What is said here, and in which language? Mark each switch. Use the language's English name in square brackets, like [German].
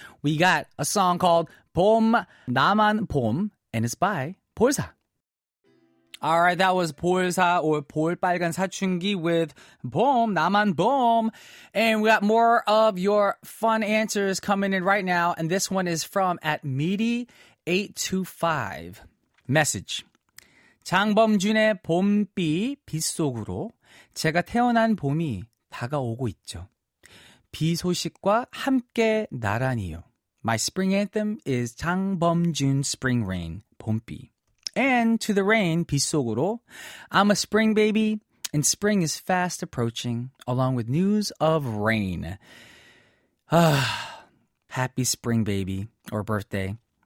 [English] We got a song called Pom Naman Pom, and it's by Poesha. All right, that was Poesha or 볼 빨간 사춘기 with Pom Naman Pom. And we got more of your fun answers coming in right now. And this one is from at Meaty 825. Message. [Korean] 장범준의 봄비 빗속으로 제가 태어난 봄이 다가오고 있죠. 비 소식과 함께 나란히요. [English] My spring anthem is 장범준 Spring Rain, 봄비. And to the rain, [Korean] 비 속으로, [English] I'm a spring baby, and spring is fast approaching, along with news of rain. Happy spring baby, or birthday.